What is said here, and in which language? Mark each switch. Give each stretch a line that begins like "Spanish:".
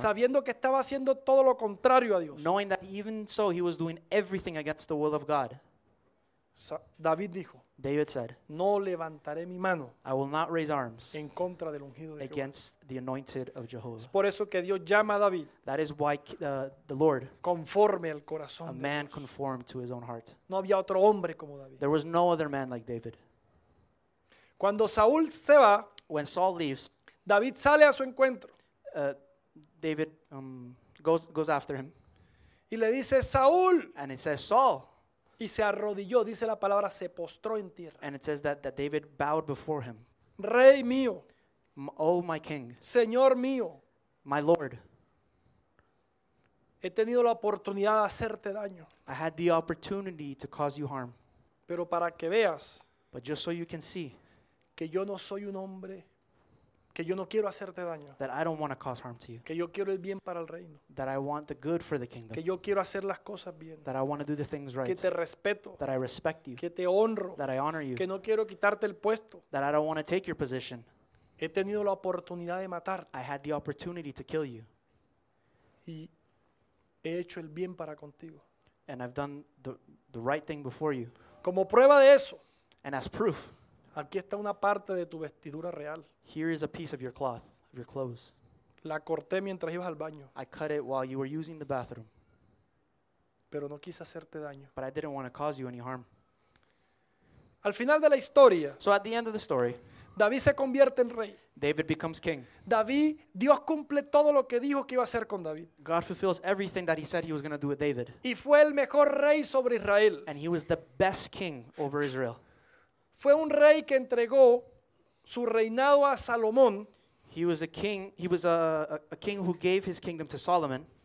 Spanish: Sabiendo que estaba haciendo todo lo contrario a Dios.
English: Knowing that even so he was doing everything against the will of God.
Spanish: David dijo.
English: David said.
Spanish: No levantaré mi mano.
English: I will not raise arms.
Spanish: En contra del ungido de
English: against
Spanish: Jehová.
English: Against the anointed of Jehovah.
Spanish: Es por eso que Dios llama a David.
English: That is why the Lord.
Spanish: Conforme al corazón a de
English: A man
Spanish: Dios.
English: Conformed to his own heart.
Spanish: No había otro hombre como David.
English: There was no other man like David.
Spanish: Cuando Saúl se va.
English: When Saul leaves.
Spanish: David sale a su encuentro.
English: David goes after him.
Spanish: Y le dice Saúl.
English: And it says Saul.
Spanish: Y se arrodilló, dice la palabra, se postró en tierra.
English: And it says that David bowed before him.
Spanish: Rey mío.
English: Oh my king.
Spanish: Señor mío.
English: My lord.
Spanish: He tenido la oportunidad de hacerte daño.
English: I had the opportunity to cause you harm.
Spanish: Pero para que veas.
English: But just so you can see.
Spanish: Que yo no soy un hombre. Que yo no quiero hacerte daño.
English: That I don't want to cause harm to you.
Spanish: Que yo quiero el bien para el reino.
English: That I want the good for the kingdom.
Spanish: Que yo quiero hacer las cosas bien.
English: That I want to do the things right.
Spanish: Que te respeto.
English: That I respect you.
Spanish: Que te honro.
English: That I honor you.
Spanish: Que no quiero quitarte el puesto.
English: That I don't want to take your position.
Spanish: He tenido la oportunidad de matarte.
English: I had the opportunity to kill you.
Spanish: Y he hecho el bien para contigo.
English: And I've done the right thing before you.
Spanish: Como prueba de eso.
English: And as proof.
Spanish: Aquí está una parte de tu vestidura real.
English: Here is a piece of your cloth, of your clothes.
Spanish: La corté mientras ibas al baño.
English: I cut it while you were using the bathroom.
Spanish: Pero no quise hacerte daño.
English: But I didn't want to cause you any harm.
Spanish: Al final de la historia.
English: So at the end of the story.
Spanish: David se convierte en rey.
English: David becomes king.
Spanish: David, Dios cumple todo lo que dijo que iba a hacer con David.
English: God fulfills everything that he said he was going to do with David.
Spanish: Y fue el mejor rey sobre Israel.
English: And he was the best king over Israel.
Spanish: Fue un rey que entregó su reinado a Salomón.
English: He was a king. He was a king who gave his kingdom to Solomon.